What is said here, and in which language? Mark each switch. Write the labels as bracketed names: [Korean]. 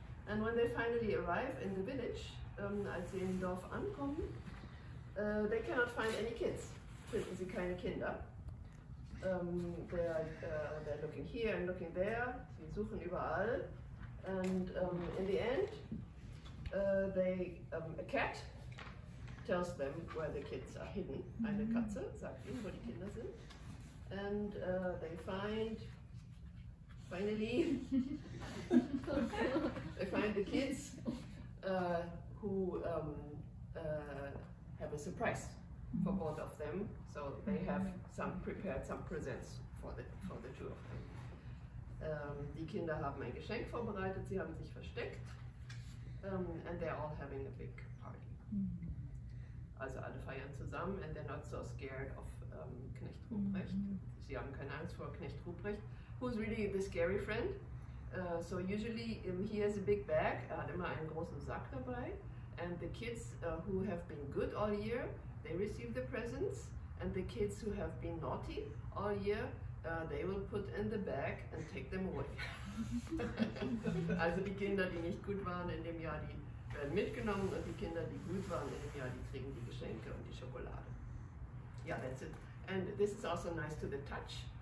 [English] And when they finally arrive in the village, [German] als sie im Dorf ankommen, [English] they cannot find any kids. [German] Finden sie keine Kinder. [English] They're looking here and looking there. [German] Sie suchen überall. [English] And in the end, a cat tells them where the kids are hidden. Mm-hmm. [German] Eine Katze sagt ihnen, wo die Kinder sind. [English] And they find, finally, they find the kids who have a surprise for both of them. So they have prepared some presents for the two of them. [German] Die Kinder haben ein Geschenk vorbereitet, sie haben sich versteckt, [English] and they're all having a big party. [German] Also alle feiern zusammen, [English] and they're not so scared of Knecht Ruprecht. Mm-hmm. [German] Sie haben keine Angst vor Knecht Ruprecht, [English] who's really the scary friend. So usually he has a big bag, [German] er hat immer einen großen Sack dabei, [English] and the kids who have been good all year, they receive the presents, and the kids who have been naughty all year, they will put in the bag and take them away. [German] Also die Kinder, die nicht gut waren in dem Jahr, die werden mitgenommen, und die Kinder, die gut waren in dem Jahr, die kriegen die Geschenke und die Schokolade. [English] Yeah, that's it. And this is also nice to the touch.